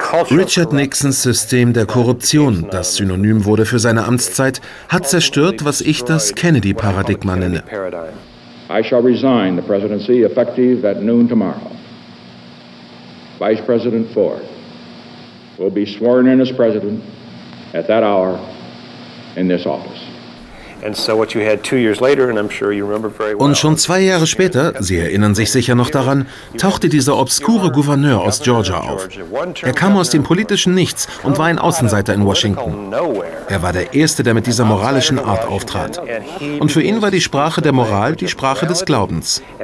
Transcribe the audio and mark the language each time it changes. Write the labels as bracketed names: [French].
[German] Richard Nixons System der Korruption, das Synonym wurde für seine Amtszeit, hat zerstört, was ich das Kennedy-Paradigma nenne. [English] I shall resign the presidency effective at noon tomorrow. Vice President Ford will be sworn in as president at that hour in this office. [German] Und schon 2 Jahre später, Sie erinnern sich sicher noch daran, tauchte dieser obskure Gouverneur aus Georgia auf. Er kam aus dem politischen Nichts und war ein Außenseiter in Washington. Er war der Erste, der mit dieser moralischen Art auftrat. Und für ihn war die Sprache der Moral die Sprache des Glaubens.